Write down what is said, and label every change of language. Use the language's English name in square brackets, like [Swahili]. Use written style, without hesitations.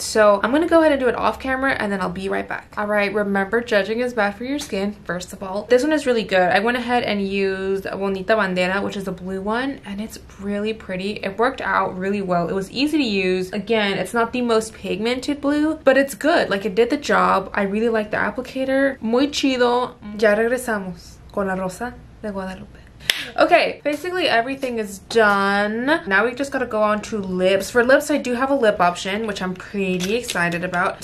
[English] So I'm going to go ahead and do it off camera and then I'll be right back. All right, remember, judging is bad for your skin, first of all. This one is really good. I went ahead and used Bonita Bandera, which is a blue one, and it's really pretty. It worked out really well. It was easy to use. Again, it's not the most pigmented blue, but it's good. Like, it did the job. I really like the applicator. [Spanish] Muy chido. Ya regresamos con la rosa de Guadalupe. [English] Okay, basically everything is done. Now we just gotta go on to lips. For lips, I do have a lip option, which I'm pretty excited about.